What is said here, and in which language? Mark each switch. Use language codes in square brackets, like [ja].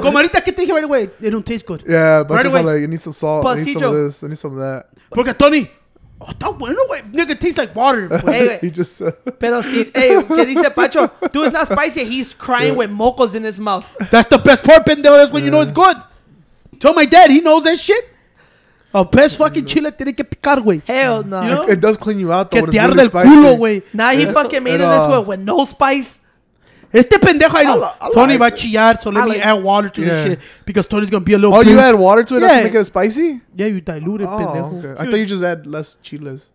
[es] Como ahorita que te dije [en] right away, it don't taste good. Yeah, but right just like, you need some salt, I need some of this, I need some of that. [es] Porque Tony, oh, está bueno, güey. [en] Nigga, it tastes like water. Hey, he just said. [es] Pero si, hey, ¿qué dice Pancho? [en] Dude, it's not spicy, he's crying with mocos in his mouth. That's the best part, pendejo. That's when you know it's good. Tell my dad, he knows that shit. A best fucking [es] chile tiene que picar, güey. [en] Hell no. You know? It does clean you out, though. [es] Que te arde el culo, güey. [en] Nah, he fucking made it this way with no spice. [es] Este pendejo, [en] I know. [es] Tony va a chillar, [en] so let me add water to this shit. Because Tony's going to be a little Oh, you add water to it to make it spicy? Yeah, you dilute it, pendejo. Okay. I thought you just add less chiles.